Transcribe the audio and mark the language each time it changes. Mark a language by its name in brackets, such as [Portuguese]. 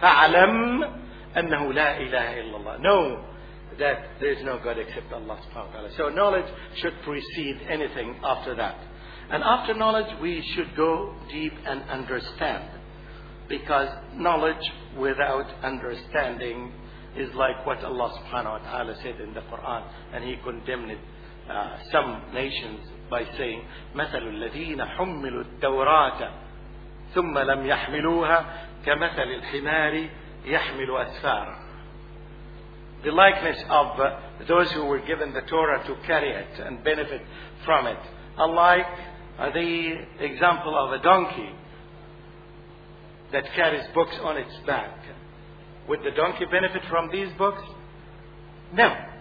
[Arabic] فَعَلَمْ أَنَّهُ لَا إِلَهَ إِلَّا اللَّهِ. [English] Know that there is no God except Allah subhanahu wa ta'ala. So knowledge should precede anything after that. And after knowledge, we should go deep and understand. Because knowledge without understanding is like what Allah subhanahu wa ta'ala said in the Quran. And he condemned some nations by saying, [Arabic] مَثَلُ الَّذِينَ حُمِّلُوا التَّوْرَاةَ ثُمَّ لَمْ يَحْمِلُوهَا كَمَثَلِ الْحِمَارِ يَحْمِلُ أَسْفَارًا. [English] The likeness of those who were given the Torah to carry it and benefit from it. Unlike the example of a donkey that carries books on its back. Would the donkey benefit from these books? No.